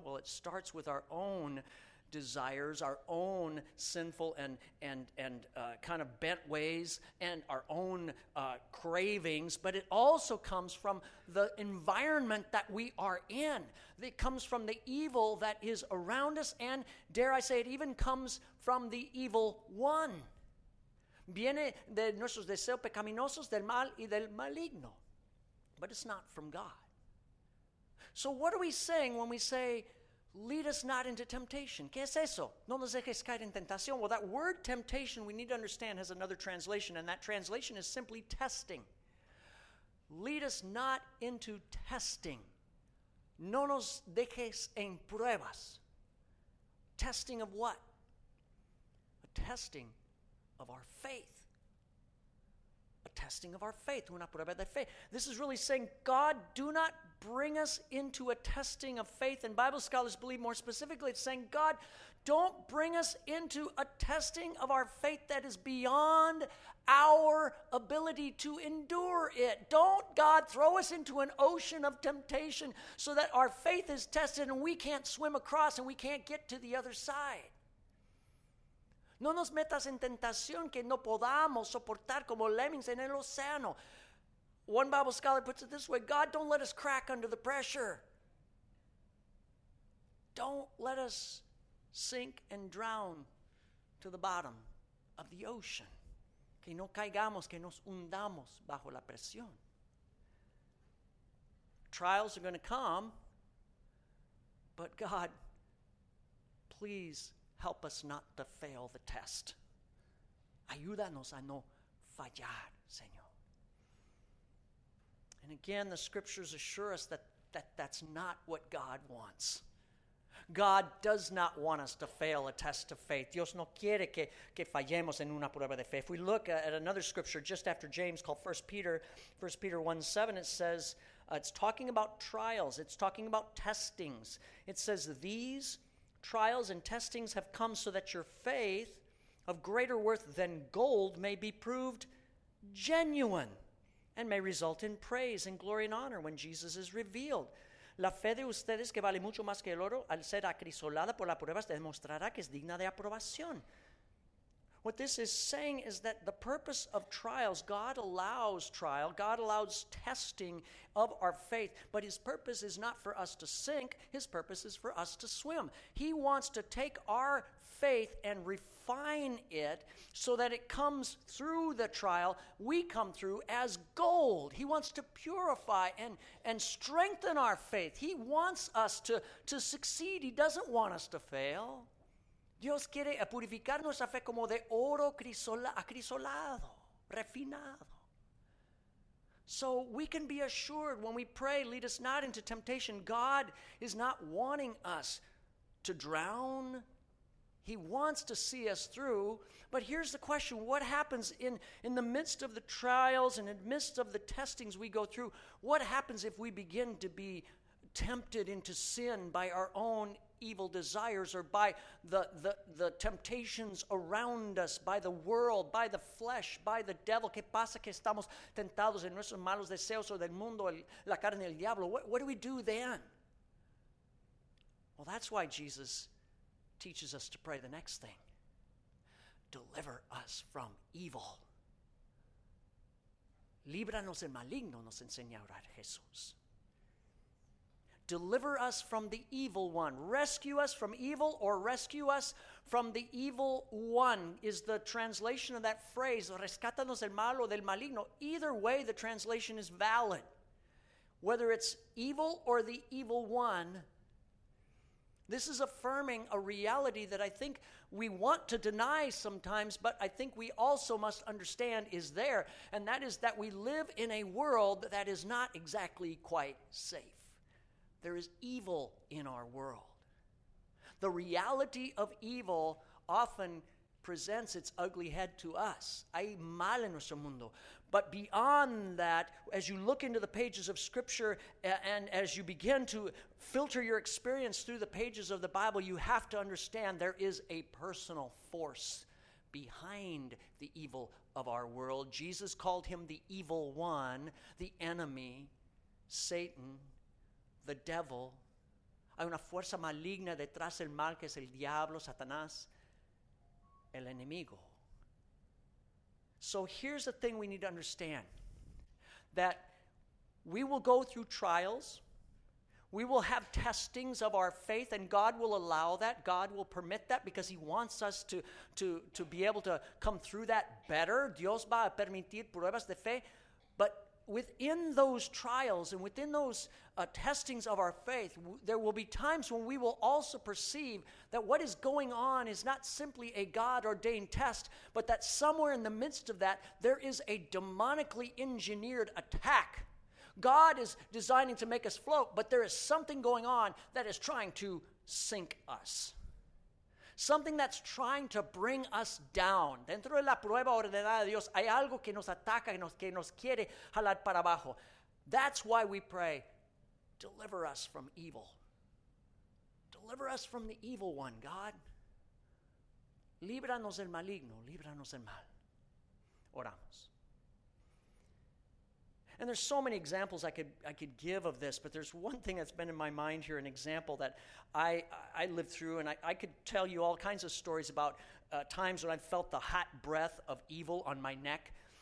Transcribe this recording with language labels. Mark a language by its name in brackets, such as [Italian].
[English] Well, it starts with our own desires, our own sinful kind of bent ways, and our own cravings, but it also comes from the environment that we are in. It comes from the evil that is around us, and dare I say, it even comes from the evil one. [Spanish] Viene de nuestros deseos pecaminosos, del mal y del maligno. [English] But it's not from God. So what are we saying when we say, lead us not into temptation? [Spanish] ¿Qué es eso? No nos dejes caer en tentación. [English] Well, that word temptation, we need to understand, has another translation, and that translation is simply testing. Lead us not into testing. [Spanish] No nos dejes en pruebas. [English] Testing of what? A testing of our faith. a testing of our faith. [Spanish] Una prueba de fe. [English] This is really saying, God, do not bring us into a testing of faith. And Bible scholars believe more specifically, it's saying, God, don't bring us into a testing of our faith that is beyond our ability to endure it. Don't, God, throw us into an ocean of temptation so that our faith is tested and we can't swim across and we can't get to the other side. [Spanish] No nos metas en tentación que no podamos soportar como lemmings en el océano. [English] One Bible scholar puts it this way, God, don't let us crack under the pressure. Don't let us sink and drown to the bottom of the ocean. [Spanish] Que no caigamos, que nos hundamos bajo la presión. [English] Trials are going to come, but God, please, help us not to fail the test. [Spanish] Ayúdanos a no fallar, Señor. [English] And again, the scriptures assure us that that's not what God wants. God does not want us to fail a test of faith. [Spanish] Dios no quiere que fallemos en una prueba de fe. [English] If we look at another scripture just after James called 1 Peter 1:7, it says, it's talking about trials. It's talking about testings. It says, these trials and testings have come so that your faith of greater worth than gold may be proved genuine and may result in praise and glory and honor when Jesus is revealed. [Spanish] La fe de ustedes, que vale mucho más que el oro, al ser acrisolada por la prueba, se demostrará que es digna de aprobación. [English] What this is saying is that the purpose of trials, God allows trial, God allows testing of our faith, but his purpose is not for us to sink, his purpose is for us to swim. He wants to take our faith and refine it so that it comes through the trial, we come through as gold. He wants to purify and strengthen our faith. He wants us to succeed. He doesn't want us to fail. [Spanish] Dios quiere purificar nuestra fe como de oro acrisolado, refinado. [English] So we can be assured when we pray, lead us not into temptation. God is not wanting us to drown. He wants to see us through. But here's the question. What happens in the midst of the trials and in the midst of the testings we go through? What happens if we begin to be tempted into sin by our own evil desires or by the temptations around us, by the world, by the flesh, by the devil? [Spanish] ¿Qué pasa que estamos tentados en nuestros malos deseos o del mundo, la carne, el diablo? [English] What do we do then? Well, that's why Jesus teaches us to pray the next thing. Deliver us from evil. [Spanish] Líbranos del maligno, nos enseña a orar Jesús. [English] Deliver us from the evil one. Rescue us from evil, or rescue us from the evil one is the translation of that phrase. [Spanish] Rescátanos del malo o del maligno. [English] Either way, the translation is valid. Whether it's evil or the evil one, this is affirming a reality that I think we want to deny sometimes, but I think we also must understand is there, and that is that we live in a world that is not exactly quite safe. There is evil in our world. The reality of evil often presents its ugly head to us. [Spanish] Hay mal en nuestro mundo. [English] But beyond that, as you look into the pages of Scripture and as you begin to filter your experience through the pages of the Bible, you have to understand there is a personal force behind the evil of our world. Jesus called him the evil one, the enemy, Satan. The devil. [Spanish] Hay una fuerza maligna detrás del mal que es el diablo, Satanás, el enemigo. [English] So here's the thing we need to understand. That we will go through trials. We will have testings of our faith, and God will allow that. God will permit that because he wants us to be able to come through that better. [Spanish] Dios va a permitir pruebas de fe. [English] But within those trials and within those testings of our faith, there will be times when we will also perceive that what is going on is not simply a God-ordained test, but that somewhere in the midst of that, there is a demonically engineered attack. God is designing to make us float, but there is something going on that is trying to sink us. something that's trying to bring us down. [Spanish] Dentro de la prueba ordenada de Dios, hay algo que nos ataca, que nos quiere jalar para abajo. [English] That's why we pray, deliver us from evil. Deliver us from the evil one, God. [Spanish] Líbranos del maligno, líbranos del mal. Oramos. [English] And there's so many examples I could give of this, but there's one thing that's been in my mind here, an example that I lived through, and I could tell you all kinds of stories about times when I felt the hot breath of evil on my neck.